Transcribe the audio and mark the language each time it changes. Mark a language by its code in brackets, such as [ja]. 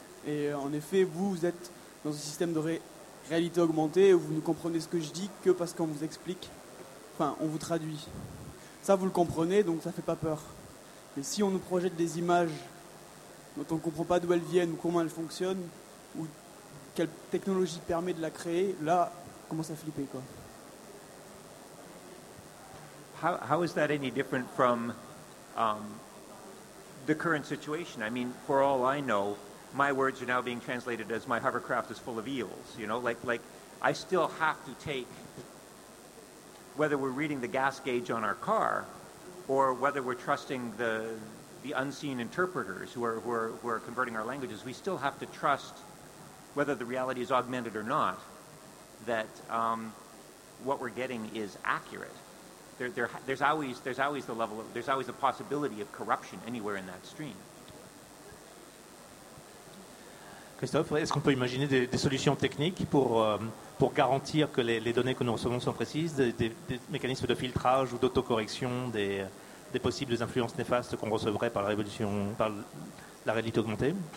[fr] Et en effet, vous êtes dans un système de réalité augmentée, et vous ne comprenez ce que je dis que parce qu'on vous explique, enfin, on vous traduit. Ça, vous le comprenez, donc ça ne fait pas peur. Mais si on nous projette des images dont on ne comprend pas d'où elles viennent, ou comment elles fonctionnent, ou quelle technologie permet de la créer, là, commence à flipper, quoi. [en] How is that any different from the current situation? I mean, for all I know, my words are now being translated as my hovercraft is full of eels. You know, like I still have to take, whether we're reading the gas gauge on our car or whether we're trusting the unseen interpreters who are converting our languages, we still have to trust, whether the reality is augmented or not, that what we're getting is accurate. There's always the possibility of corruption anywhere in that stream. [fr] Christophe, est-ce qu'on peut imaginer des solutions techniques pour garantir que les données que nous recevons sont précises, des mécanismes de filtrage ou d'autocorrection des possibles influences néfastes qu'on recevrait par la réalité augmentée?